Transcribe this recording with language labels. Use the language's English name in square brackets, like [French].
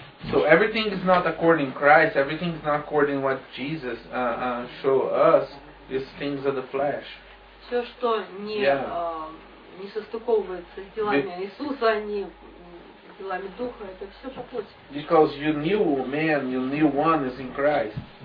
[English] So everything is not according to Christ, everything is not according to what Jesus show us, is things of the flesh. [Russian] Все, что не состыковывается с делами Иисуса, не делами Духа, это все по плоти. [English] Because your new man, your new one is in Christ.